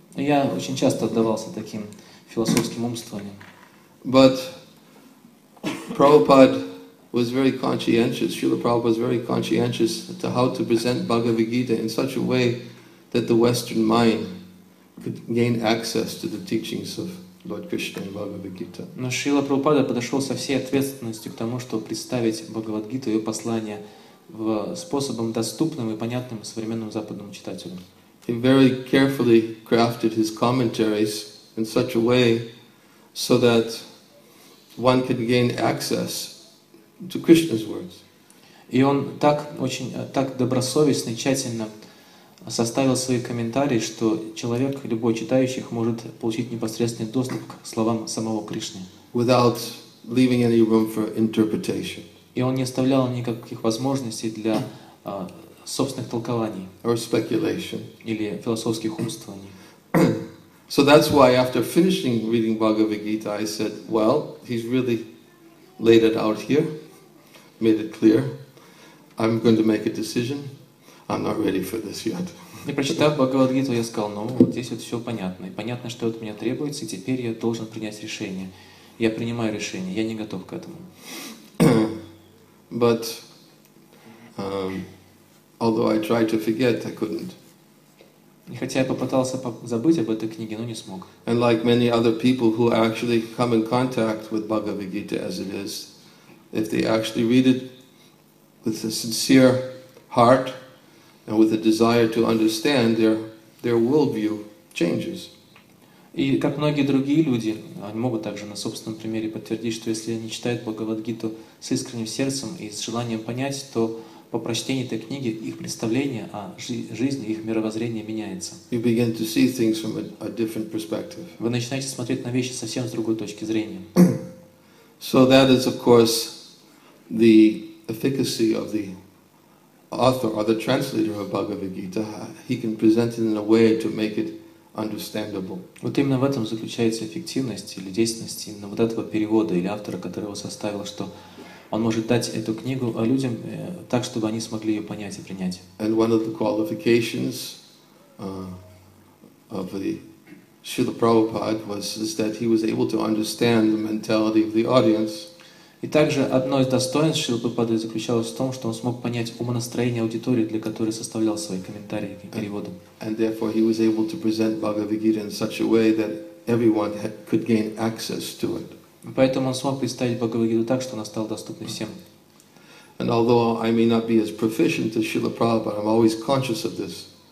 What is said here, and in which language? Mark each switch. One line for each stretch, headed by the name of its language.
Russian: Я очень часто отдавался таким философским умствованиям.
English: But Prabhupada was very conscientious. Srila Prabhupada was very conscientious to how to present Bhagavad Gita in such a way that the Western mind could gain access to the teachings of Lord Krishna and Bhagavad Gita.
Russian: Но Шрила Прабхупада подошел со всей ответственностью к тому, чтобы представить Бхагавад Гиту и ее послание в способом доступным и понятным современному западному читателю.
English: He very carefully crafted his commentaries in such a way so that one could gain access to Krishna's words.
Russian: И он так добросовестно и тщательно составил свои комментарии, что человек, любой читающий, может получить непосредственный доступ к словам самого Кришны.
English: Without leaving any room for interpretation.
Russian: И он не оставлял никаких возможностей для собственных толкований.
English: Or speculation.
Russian: Или философских умствований.
English: So that's why after finishing reading Bhagavad Gita, I said, well, he's really laid it out here. Made it clear. I'm going to make a decision. I'm not ready for this yet.
Russian: И прочитав Бхагавад-гиту, я сказал: "Ну, вот здесь вот все понятно. И понятно, что от меня требуется. И теперь я должен принять решение. Я принимаю решение. Я не готов к этому."
English: But although I tried to forget, I couldn't.
Russian: И хотя я попытался забыть об этой книге, но не смог.
English: And like many other people who actually come in contact with Bhagavad Gita as it is, if they actually read it with a sincere heart and with a desire to understand, their worldview changes.
Russian: И как многие другие люди, они могут также на собственном примере подтвердить, что если они читают Бхагавад-гиту с искренним сердцем и с желанием понять, то по прочтении этой книги их представление о жизни, их мировоззрение меняется.
English: You begin to see things from a different perspective.
Russian: Вы начинаете смотреть на вещи совсем с другой точки зрения.
English: So that is, of course, the efficacy of the author or the translator of Bhagavad Gita. He can present it in a way to make it understandable.
Russian: Вот именно в этом заключается эффективность или действенность именно вот этого перевода или автора, который его составил, что он может дать эту книгу людям так, чтобы они смогли ее понять и принять.
English: And one of the qualifications of the Srila Prabhupada was that he was able to understand the mentality of the audience.
Russian: И также одно из достоинств Шрилы Прабхупады заключалось в том, что он смог понять умонастроение аудитории, для которой составлял свои комментарии к переводам.
English: And therefore he was able to present Bhagavad Gita in such a way that everyone could gain access to it.
Russian: Поэтому он смог представить Бхагавад-гиту так, что она стала доступной всем.
English: And although I may not be as proficient as Srila Prabhupada, I'm always conscious of this.